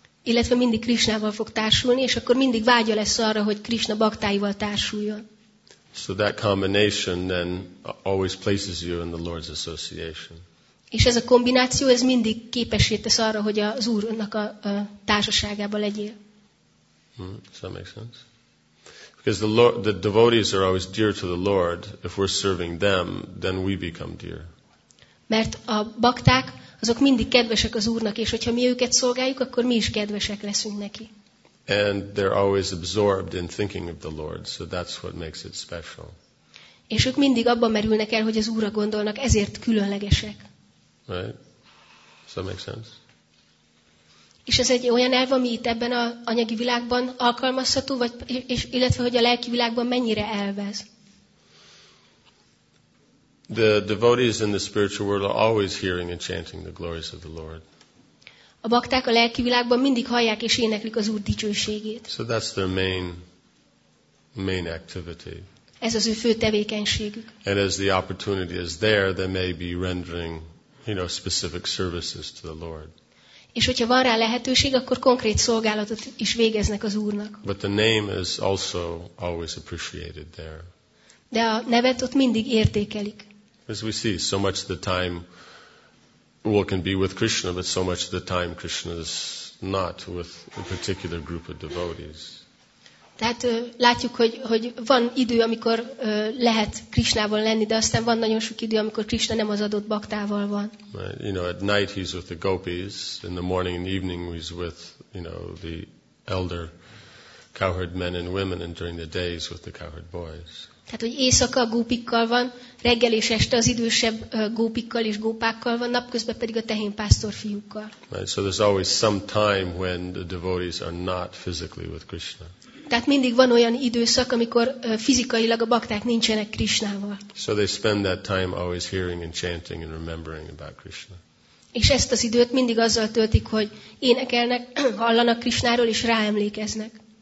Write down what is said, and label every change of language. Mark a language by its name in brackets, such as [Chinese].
[Hungarian] Illetve mindig Krisnával fog társulni, és akkor mindig vágya lesz arra, hogy Krisna baktáival társuljon. [English] So that combination then always places you in the Lord's association. [Hungarian] És ez a kombináció, ez mindig képessé tesz arra, hogy az Úrnak a társaságába legyél. [English] Does that make sense? Because the devotees are always dear to the Lord. If we're serving them, then we become dear. [Hungarian] Mert a bakták, azok mindig kedvesek az Úrnak, és hogyha mi őket szolgáljuk, akkor mi is kedvesek leszünk neki. [English] And they're always absorbed in thinking of the Lord, so that's what makes it special. [Hungarian] És ők mindig abban merülnek el, hogy az Úrra gondolnak, ezért különlegesek. [English] Right? Does that make sense? [Hungarian] És ez egy olyan elv, ami itt ebben a anyagi világban alkalmazható, vagy illetve hogy a lelki világban mennyire elvez? [English] The devotees in the spiritual world are always hearing and chanting the glories of the Lord. [Hungarian] A bakták a lelki világban mindig hallják és éneklik az Úr dicsőségét. [English] So that's their main activity. [Hungarian] Ez az ő fő tevékenységük. [English] And as the opportunity is there, they may be rendering, you know, specific services to the Lord. [Hungarian] És hogyha van rá lehetőség, akkor konkrét szolgálatot is végeznek az Úrnak. [English] But the name is also always appreciated there. [Hungarian] De a nevet ott mindig értékelik. [English] As we see, so much of the time one can be with Krishna, but so much of the time Krishna is not with a particular group of devotees. [Hungarian] Tehát látjuk, hogy van idő, amikor lehet Krishnával lenni, de aztán van nagyon sok idő, amikor Krishna nem az adott baktával van. [English] Right. You know, at night he's with the gopis, in the morning and evening he's with, you know, the elder cowherd men and women, and during the days with the cowherd boys. [Hungarian] Tehát, hogy éjszaka a gópikkal van, reggel és este az idősebb gópikkal és gópákkal van, napközben pedig a tehén pásztor fiúkkal. [English] Right, so there's always some time when the devotees are not physically with Krishna. [Hungarian] Tehát mindig van olyan időszak, amikor fizikailag a bakták nincsenek Krishnával. [English] So they spend that time always hearing and chanting and remembering about Krishna. [Hungarian] És ezt az időt mindig azzal töltik, hogy énekelnek, hallanak Krishnáról és ráemlékeznek.